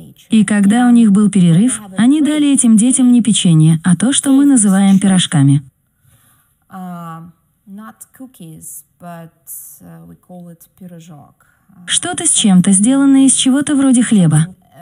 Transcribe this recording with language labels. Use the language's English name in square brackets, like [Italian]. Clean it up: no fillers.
[Russian] И когда у них был перерыв, они дали этим детям не печенье, а то, что мы называем пирожками. [English] Not cookies, but we call it пирожок. [Russian] Что-то с чем-то, сделанное из чего-то вроде хлеба.